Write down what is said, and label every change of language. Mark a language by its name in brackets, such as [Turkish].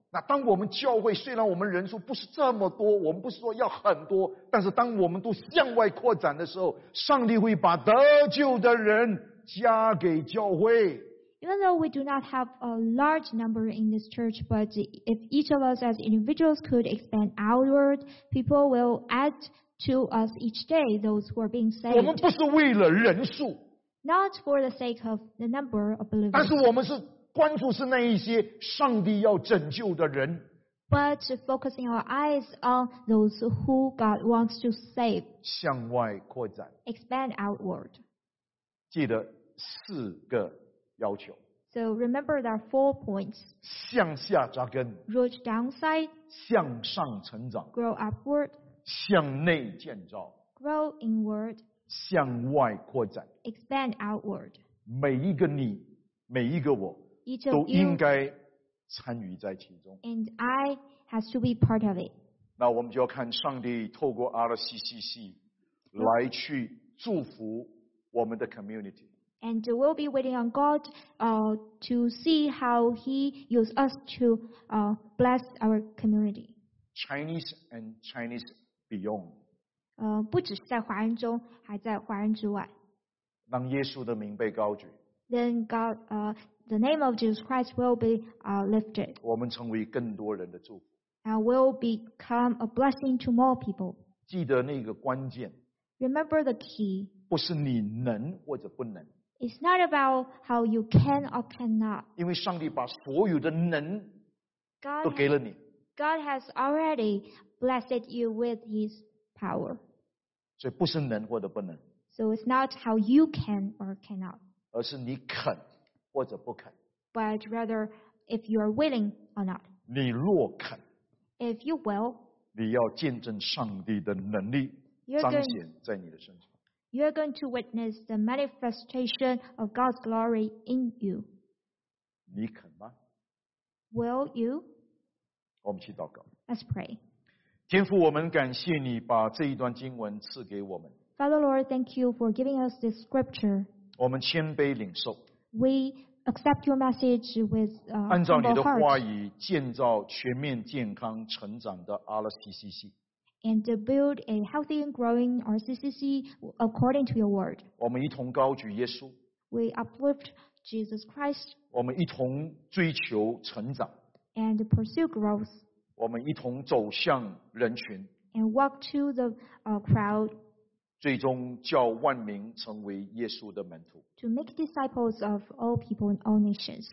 [Chinese] 那当我们教会虽然我们人数不是这么多我们不是说要很多但是当我们都向外扩展的时候上帝会把得救的人加给教会 [English] Even though we do not have a large number in this church but if each of us as individuals could expand outward people will add to us each day those who are being saved [Chinese] 我们不是为了人数 [English] Not for the sake of the number of believers [Chinese] 但是我们是关注是那一些上帝要拯救的人 [English] But focusing our eyes on those who God wants to save [Chinese] 向外扩展 [English] Expand outward [Chinese] 记得四个要求 [English] So remember there are four points [Chinese] 向下扎根 [English] Root downside [Chinese] 向上成长 [English] Grow upward [Chinese] 向内建造 [English] Grow inward [Chinese] 向外扩展 [English] Expand outward [Chinese] 每一个你每一个我都应该参与在其中。 [English] And I has to be part of it. [Chinese] 那我们就要看上帝透过 RCCC 来去祝福我们的 community. [English] And we'll be waiting on God, to see how He uses us to, bless our community. Chinese and Chinese beyond. [Chinese] 不只是在华人中，还在华人之外。让耶稣的名被高举。 [English] Then God, the name of Jesus Christ will be lifted. [Chinese] 我们成为更多人的祝福。 [English] And will become a blessing to more people. [Chinese] 记得那个关键。 [English] Remember the key. [Chinese] 不是你能或者不能。 [English] It's not about how you can or cannot. [Chinese] 因为上帝把所有的能都给了你。 [English] God has already blessed you with His power. [Chinese] 所以不是能或者不能。 [English] So it's not how you can or cannot. [Chinese] 而是你肯或者不肯。 [English] But rather, if you are willing or not. [Chinese] 你若肯。 [English] If you will. [Chinese] 你要见证上帝的能力彰显在你的身上。 [English] You are going to witness the manifestation of God's glory in you. [Chinese] 你肯吗 [English] ？Will you? [Chinese] 我们去祷告。 [English] Let's pray. [Chinese] 天父，我们感谢你把这一段经文赐给我们。 [English] Father Lord, thank you for giving us this scripture. [Chinese] 我们谦卑领受。 [English] We accept your message with humble heart. [Chinese] 按照你的话语建造全面健康成长的 RCCC. [English] And to build a healthy and growing RCCC according to your word. [Chinese] 我们一同高举耶稣。 [English] We uplift Jesus Christ. [Chinese] 我们一同追求成长。 [English] And pursue growth. [Chinese] 我们一同走向人群。 [English] And walk to the crowd. [Chinese] 最终叫万民成为耶稣的门徒。 [English] To make disciples of all people in all nations.